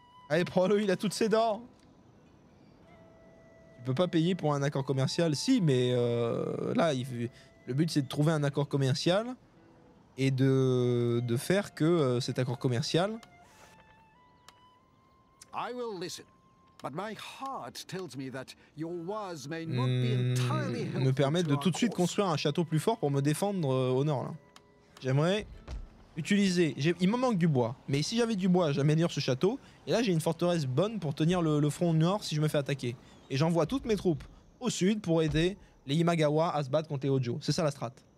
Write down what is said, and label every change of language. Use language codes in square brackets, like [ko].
[fr] Allez, prends-le, il a toutes ses dents. Tu peux pas payer pour un accord commercial, si, mais là, le but c'est de trouver un accord commercial et de faire que cet accord commercial. [en] I will listen, but my heart tells me that your words may not be entirely helpful. [fr] Me permettre de tout de suite construire un château plus fort pour me défendre au nord. Là. J'aimerais utiliser. Il me manque du bois, mais si j'avais du bois, j'améliore ce château. Et là, j'ai une forteresse bonne pour tenir le front nord si je me fais attaquer. Et j'envoie toutes mes troupes au sud pour aider les Imagawa à se battre contre les Hojo. C'est ça la strat.